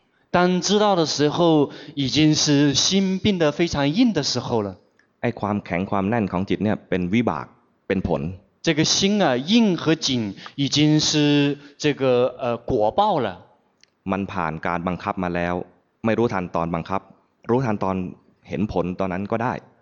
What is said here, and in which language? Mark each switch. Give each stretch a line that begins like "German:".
Chinese: 当知道的时候已经是心病得非常硬的时候了
Thai: ไอ้ความแข็งความแน่นของจิตเนี่ยเป็นวิบากเป็นผล
Chinese: 这个心啊硬和紧已经是这个果报了
Thai: มันผ่านการบังคับมาแล้วไม่รู้ทันตอนบังคับรู้ทันตอนเห็นผลตอนนั้นก็ได้